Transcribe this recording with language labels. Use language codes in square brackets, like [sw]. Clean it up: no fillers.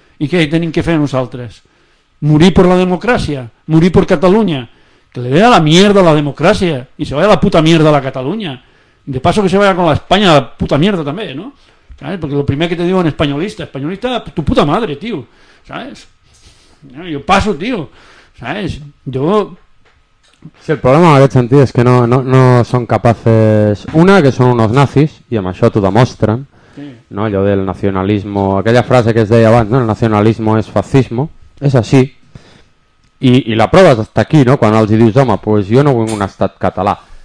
[ca] I què tenim que fer nosaltres? Morir per la democràcia, morir per Catalunya. [es] Que le dé a la mierda a la democràcia i se vaya a la puta mierda a la Catalunya. De paso que se vaya con la España a la puta mierda també, no? ¿Sabes? Porque lo primer que te digo en españolista, tu puta madre, tío, ¿sabes? Yo paso, tío, ¿sabes? Yo... [ca] Sí, el problema en aquest sentit és que no són capaces... Una, que són uns nazis, i amb això t'ho demostren, sí. No? Allò del nacionalismo, aquella frase que es deia abans, no? [es] El nacionalismo es fascismo, [ca] és així. I la prova és estar aquí, no? Quan els dius, home, pues jo no vull un estat català.